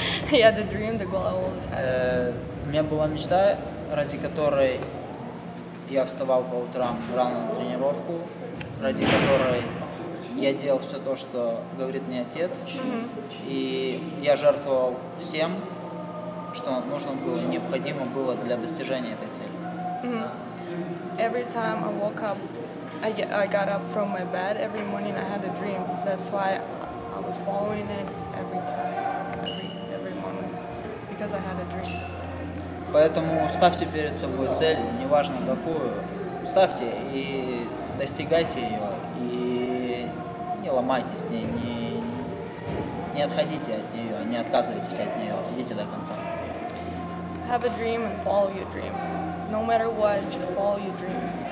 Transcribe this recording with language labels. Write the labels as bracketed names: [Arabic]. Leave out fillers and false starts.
[English] Yeah, the dream, the goal I always had. [Russian] У меня была мечта, ради которой я вставал по утрам рано на тренировку, ради которой я делал все то, что говорит мне отец. Mm-hmm. И я жертвовал всем, что нужно было, необходимо было для достижения этой цели. Mm-hmm. [English] Every time I woke up, I got up from my bed every morning, I had a dream. That's why I was following it every time, every morning, because I had a dream. [Russian] Поэтому ставьте перед собой цель, неважно какую, ставьте и достигайте ее, и не ломайтесь, не отходите от нее, не отказывайтесь от нее, идите до конца. [English] Have a dream and follow your dream. No matter what, just follow your dream.